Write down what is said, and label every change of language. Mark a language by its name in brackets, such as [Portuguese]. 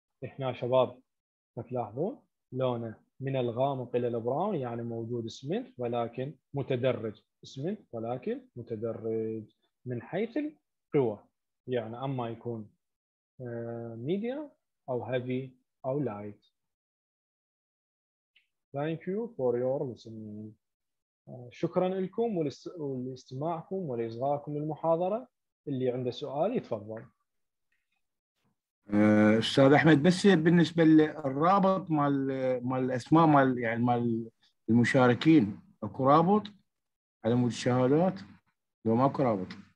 [Arabic] احنا شباب تلاحظون لونه من الغامق الى البراون، يعني موجود اسمنت ولكن متدرج، اسمنت ولكن متدرج من حيث القوى، يعني اما يكون ميديا او هيفي او لايت. [English] Thank you for your listening. [Arabic] شكرا لكم ولاستماعكم ولاصغائكم للمحاضره. اللي عنده سؤال يتفضل. استاذ احمد، بس بالنسبه للرابط مال الاسماء مال يعني مال المشاركين، اكو رابط على مود الشهادات لو ماكو رابط؟